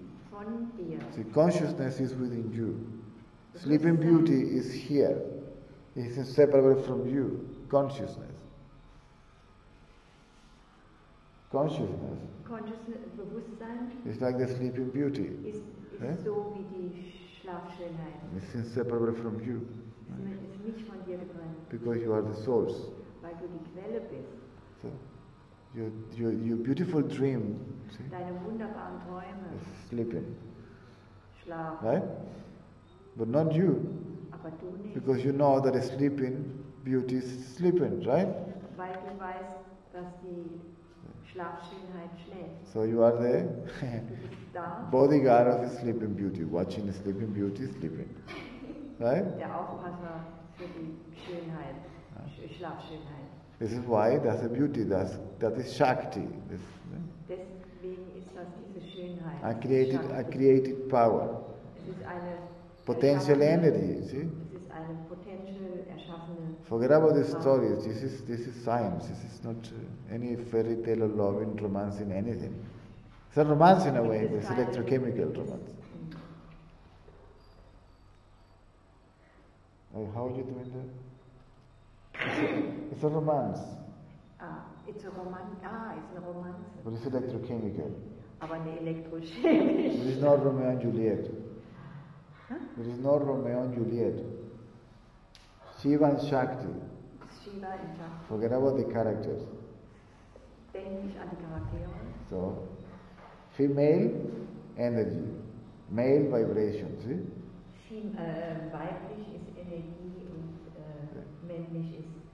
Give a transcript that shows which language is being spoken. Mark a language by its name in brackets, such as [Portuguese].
[German] Von dir. [English] See, consciousness is within you. Because Sleeping Beauty is here. It's inseparable from you. Consciousness. Consciousness. [German] Bewusstsein. [English] It's like the Sleeping Beauty. [German] Ist so wie die Schlafschönheit. [English] It's inseparable from you. [German] Ist nicht von dir getrennt. [English] Because you are the source. [German] Weil du die Quelle bist. [English] So. Your beautiful dream, see? [German] Deine wunderbaren Träume. [English] Is sleeping. [German] Schlaf. [English] Right? But not you. [German] Aber du nicht. [English] Because you know that a sleeping beauty is sleeping, right? [German] Weil du weißt, dass die Schlafschönheit schläft. [English] So you are the [German] da. [English] Bodyguard of the sleeping beauty, watching the sleeping beauty sleeping. Right? [German] Der Aufpasser für die Schönheit, Schlafschönheit. [English] This is why that's a beauty, that is Shakti. This, [German] deswegen ist das diese Schönheit. [English] A created power. [German] Es ist eine [English] potential energy, see? [German] Es ist eine potential erschaffene. [English] Forget about the stories. This is science. This is not any fairy tale or loving romance in anything. It's a romance in a way, it's electrochemical romance. Oh, how are you doing that? It's a romance. It's a romance. But it's electrochemical. [German] Aber eine elektrochemische. [English] It is not Romeo and Juliet. It is not Romeo and Juliet. Shiva and Shakti. Shiva and Shakti. Forget about the characters. [German] Denk nicht an die Charaktere. [English] So, female energy, male vibration. See? [German] Weiblich ist Energie und männlich ist